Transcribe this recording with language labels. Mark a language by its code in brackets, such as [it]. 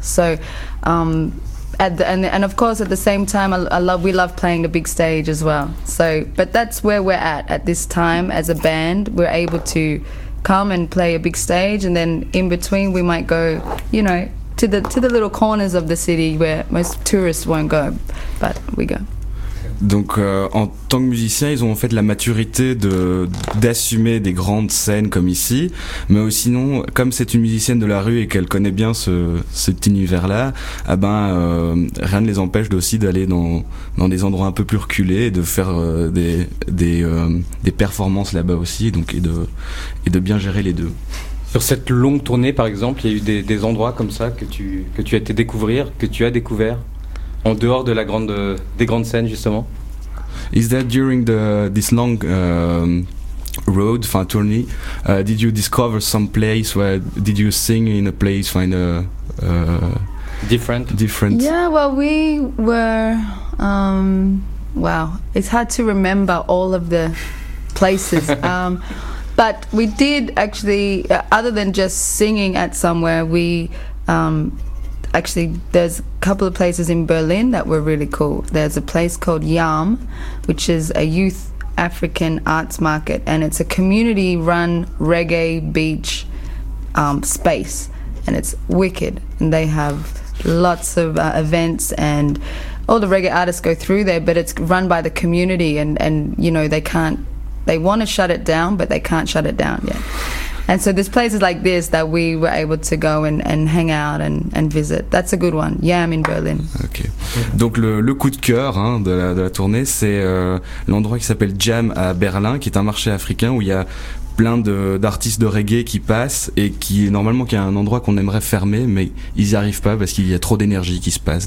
[en] So, and of course, at the same time, we love playing the big stage as well. So, but that's where we're at this time as a band. We're able to come and play a big stage, and then in between, we might go, you know, to the little corners of the city where most tourists won't go, but we go. [fr] Donc en tant que musicien, ils ont en fait la maturité d'assumer des grandes scènes comme ici, mais aussi non, comme c'est une musicienne de la rue et qu'elle connaît bien cet univers-là, ah ben rien ne les empêche aussi d'aller dans des endroits un peu plus reculés et de faire des performances là-bas aussi, donc et de bien gérer les deux. Sur cette longue tournée, par exemple, il y a eu des endroits comme ça que tu as été découvrir, que tu as découvert en dehors de la grandes scènes justement. [en] Is that during this long road, [fr] fin tournée, [en] did you discover some place where did you sing in a place find a different? Yeah, well, we were wow, it's hard to remember all of the places. But we did actually, other than just singing at somewhere, we actually, there's a couple of places in Berlin that were really cool. There's a place called YAM, which is a youth African arts market, and it's a community-run reggae beach space, and it's wicked. And they have lots of events, and all the reggae artists go through there, but it's run by the community, and you know, they can't, they want to shut it down, but they can't shut it down yet. And so there's places like this that we were able to go and hang out and visit. That's a good one. Yeah, I'm in Berlin. Okay. [fr] Donc le coup de cœur hein, de la tournée, c'est l'endroit qui s'appelle Jam à Berlin, qui est un marché africain où il y a plein d'artistes de reggae qui passent et qui normalement qui est un endroit qu'on aimerait fermer, mais ils n'y arrivent pas parce qu'il y a trop d'énergie qui se passe.